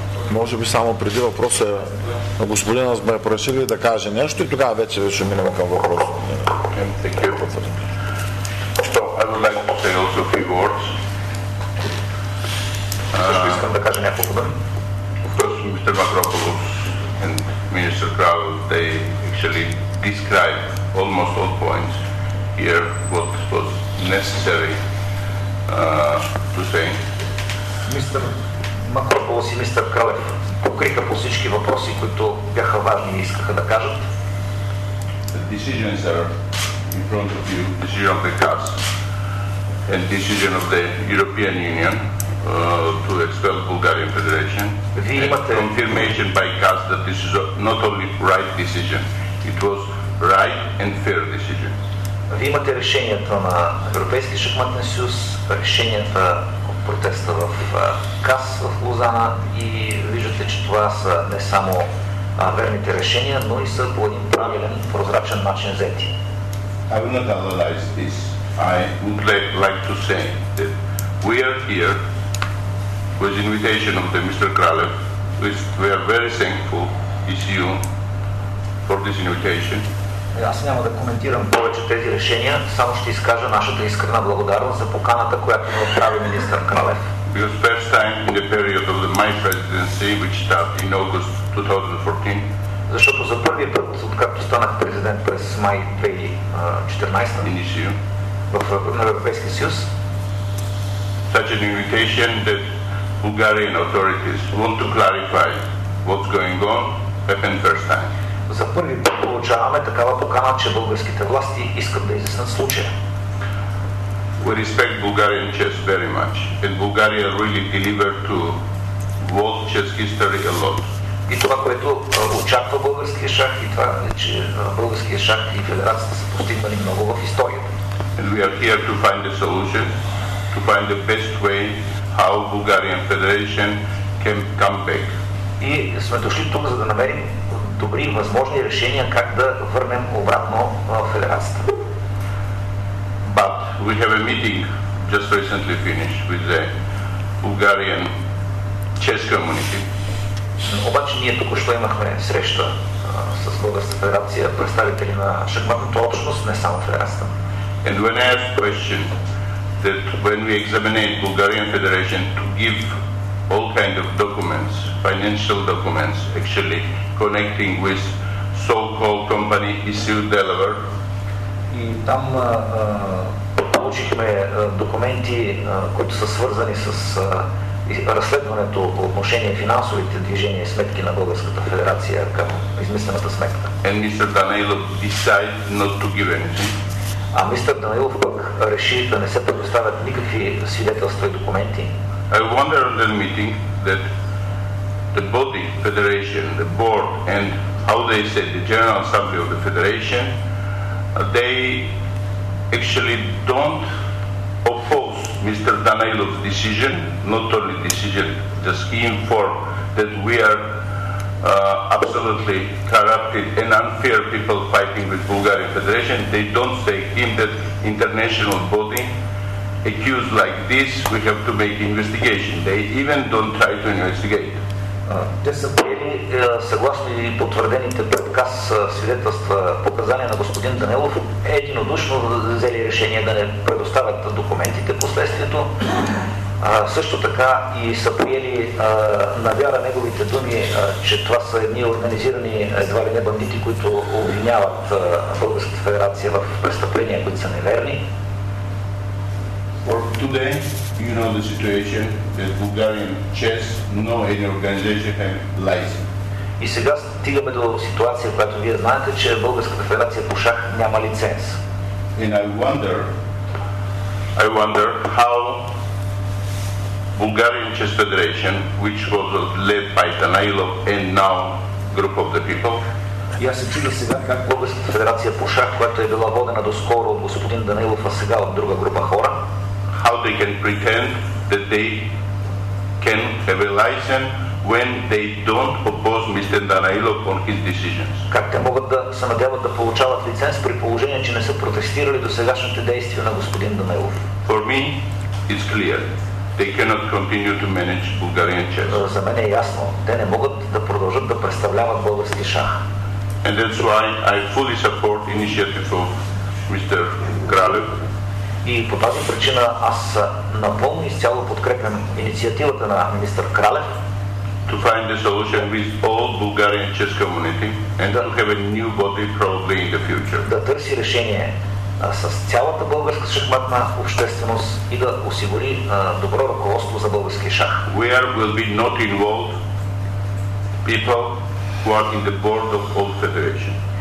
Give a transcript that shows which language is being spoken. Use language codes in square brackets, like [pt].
[bg] Може би само преди въпроса на господина сме просили да каже нещо и тогава вече ще минем към въпроса. [en] So, I would like to say also a few words. [bg] Искам да кажа няколко думи. [en] First, Mr. Makropoulos and Minister Kral, they actually describe almost all points here what was necessary to say. Mr. [bg] Макрополос и мистър Кралев покриха по всички въпроси, които бяха важни и искаха да кажат. [en] The decisions are in front of you, decision of the CAS and decision of the European Union to expel Bulgarian Federation. [bg] Вие имате [en] confirmation by CAS that this is not only right decision, it was right and fair decision. [bg] Вие имате решението на Европейския шахматен съюз, решението протеста в КАС в Лозана и виждате, че това са не само верните решения, но и са по един правилен, прозрачен начин взети. [en] I will not analyze this. I would like to say that we are here with invitation of the Mr. Kralev. We are very thankful is you for this invitation. [bg] Аз няма да коментирам повече тези решения, само ще изкажа нашата искрена благодарност за поканата, която ни отправи министър Кралев. [en] Because first time in the period of my presidency, which started in August 2014. [bg] Защото за първи път, откакто станах президент през май 2014 в Европейския съюз, [en] such an invitation that Bulgarian authorities want to clarify what's going on happened first time. [bg] За първи път получаваме такава покана, че българските власти искат да изяснат случая. [en] We respect Bulgarian chess very much. And Bulgaria really delivered to world chess history a lot. [bg] И това, което очаква българския шах, и това, че българския шах и федерацията са постигнали много в историята. [en] And we are here to find the solution, to find the best way how Bulgarian Federation can come back. [bg] И сме дошли тук, за да намерим добри и възможни решения как да върнем обратно федерацията. [en] But we have a meeting just recently finished with the Bulgarian chess community. [bg] Обаче ние току-що имахме среща с българска федерация, представители на шахматната общност, не само федерацията. [en] And when I asked question that when we examined Bulgarian Federation to give all kind of documents, financial documents, actually connecting with so-called company ISU Delaware. [bg] И там получихме документи, които са свързани с разследването по отношение финансовите движения и сметки на Българската федерация към измислената сметка. [en] And Mr. Danilov decided not to give anything. [bg] А мистър Данилов пък реши да не се предоставят никакви свидетелства и документи. [en] I wonder at that meeting that the body, federation, the board, and how they say, the General Assembly of the Federation, they actually don't oppose Mr. Danilov's decision, not only decision, just he informed that we are absolutely corrupted and unfair people fighting with Bulgarian Federation. They don't say him that international body accused like this, we have to make investigation. They even don't try to investigate. [bg] Те са приели съгласно и потвърдените пред КАС свидетелства показания на господин Данилов, единодушно взели решение да не предоставят документите последствието. Също така и са приели на вяра неговите думи, че това са едни организирани едва ли не бандити, които обвиняват Българската федерация в престъпления, които са неверни. [en] For today, you know the situation that Bulgarian chess, no any organization have license. [bg] И сега стигаме до ситуация, която вие знаете, че Българската федерация по шах няма лиценз. [en] And I wonder how Bulgarian Chess Federation, which was led by Danailov and now group of the people. [bg] Я се чудя сега как Българската федерация по шах, която е била водена доскоро от господин Данилов, а сега от друга група хора. [en] How they can pretend that they can have a license when they don't oppose Mr. Danailov on his decisions? [bg] Как те могат да се надяват да получават лиценз при положение, че не са протестирали до сегашните действия на господин Данилов? [en] For me, it's clear. They cannot continue to manage Bulgarian chess. [bg] За мен е ясно. Те не могат да продължат да представляват български шах. [en] And that's why I fully support initiative of Mr. Kralev. [bg] И по тази причина аз напълно изцяло подкрепям инициативата на министър Кралев. [en] To find a solution with all Bulgarian chess community and to have a new body probably in the future. [bg] Да търси решение с цялата българска шахматна общественост и да осигури добро ръководство за българския шах. [en] We are will be not involved people who are in the board of old federation.